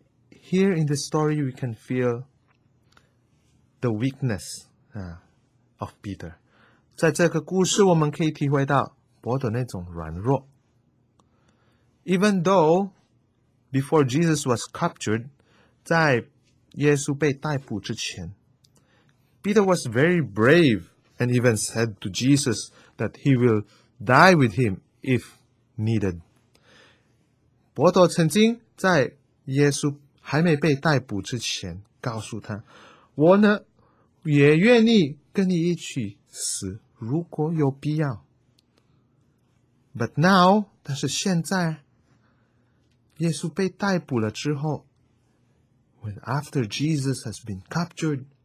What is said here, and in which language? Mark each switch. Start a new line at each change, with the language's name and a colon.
English: Here in the story we can feel the weakness of Peter.
Chinese: 在这个故事我们可以体会到伯多那种软弱。
English: Even though before Jesus was captured,
Chinese: 在耶稣被逮捕之前
English: Peter was very brave and even said to Jesus that he will die with him if needed.
Chinese: 伯多曾经在耶稣还没被逮捕之前告诉他我呢也愿意跟你一起死。如果有必要
English: But now
Chinese: 但是现在耶稣被逮捕了之后
English: When after Jesus has been captured